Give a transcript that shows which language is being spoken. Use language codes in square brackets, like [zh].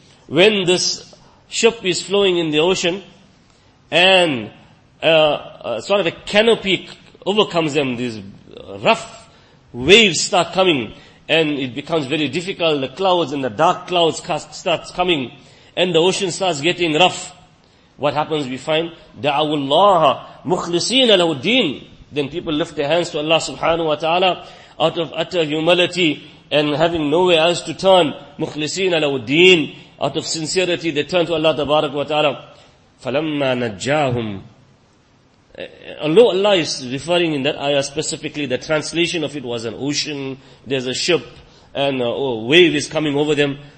[en] When this ship is flowing in the ocean, and sort of a canopy overcomes them, these rough waves start coming, and it becomes very difficult, the clouds and the dark clouds starts coming, and the ocean starts getting rough. What happens, we find, [ar] دَعَوُ اللَّهَ مُخْلِصِينَ لَهُ الدِّينَ. [en] Then people lift their hands to Allah subhanahu wa ta'ala out of utter humility and having nowhere else to turn. [ar] مُخْلِصِينَ لَهُ الدِّينَ. [en] Out of sincerity, they turn to Allah tabarak wa ta'ala. [ar] فَلَمَّا نَجَّاهُمْ. [en] Although Allah is referring in that ayah specifically, the translation of it was an ocean, there's a ship, and a wave is coming over them.